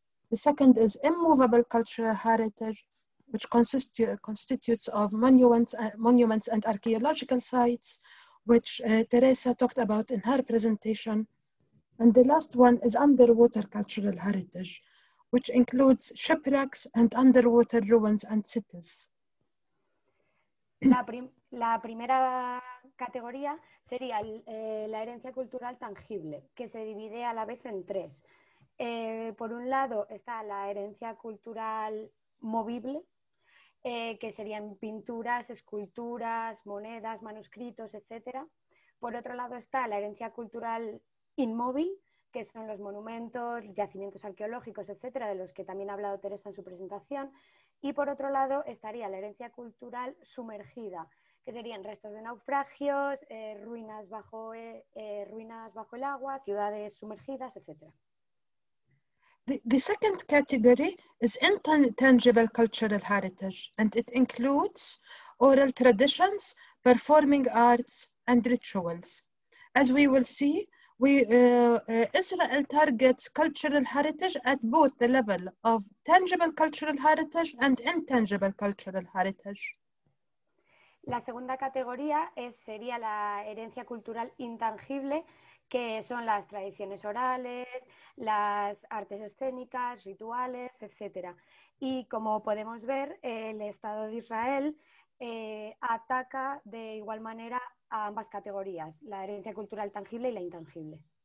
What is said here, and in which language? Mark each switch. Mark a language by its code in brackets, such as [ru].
[en] The second is immovable cultural heritage, which constitutes of monuments and archaeological sites, which Teresa talked about in her presentation. And the last one is underwater cultural heritage, which includes shipwrecks and underwater ruins and cities. [es] La primera categoría sería la herencia cultural tangible, que se divide a la vez en tres. Por un lado está la herencia cultural movible, que serían pinturas, esculturas, monedas, manuscritos, etc. Por otro lado está la herencia cultural inmóvil, que son los monumentos, yacimientos arqueológicos, etcétera, de los que también ha hablado Teresa en su presentación. Y por otro lado estaría la herencia cultural sumergida, que serían restos de naufragios, ruinas bajo el agua, ciudades sumergidas, etcétera. [en] The second category is intangible cultural heritage, and it includes oral traditions, performing arts and rituals. As we will see, Israel targets cultural heritage at both the level of tangible cultural heritage and intangible cultural heritage. [es] La segunda categoría sería la herencia cultural intangible, que son las tradiciones orales, las artes escénicas, rituales, etc. Y como podemos ver, el Estado de Israel ataca de igual manera a ambas categorías, la herencia cultural tangible y la intangible.